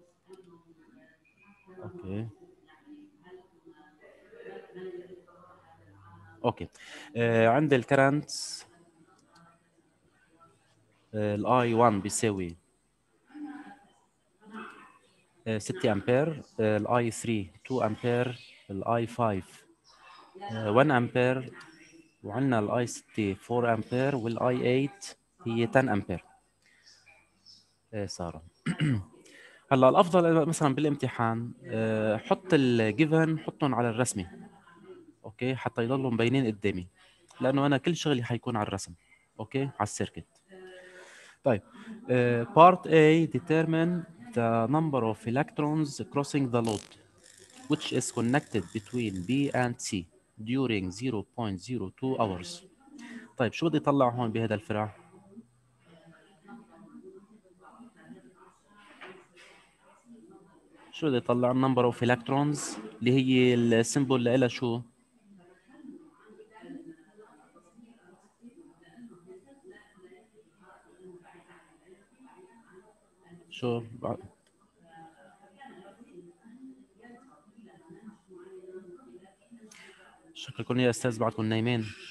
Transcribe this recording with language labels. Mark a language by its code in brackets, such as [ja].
[ar] اوكي اوكي عندي الكرنتس الاي 1 بيساوي 6 امبير، الاي 3 2 امبير، الاي 5 1 امبير، وعندنا الاي 6 4 امبير، والاي 8 هي 10 امبير. ساره هلا الافضل مثلا بالامتحان حط الجيفن حطهم على الرسمه اوكي، حتى يضلوا مبينين قدامي، لانه انا كل شغلي حيكون على الرسم اوكي على السيركت. طيب [en] part A determine the number of electrons crossing the load which is connected between B and C during 0.02 hours. [ar] طيب شو بدي طلع هون بهذا الفراغ؟ شو بدي طلع [en] number of electrons [ar] اللي هي السيمبول لها شو؟ شكلكم يا استاذ بعدكم نايمين.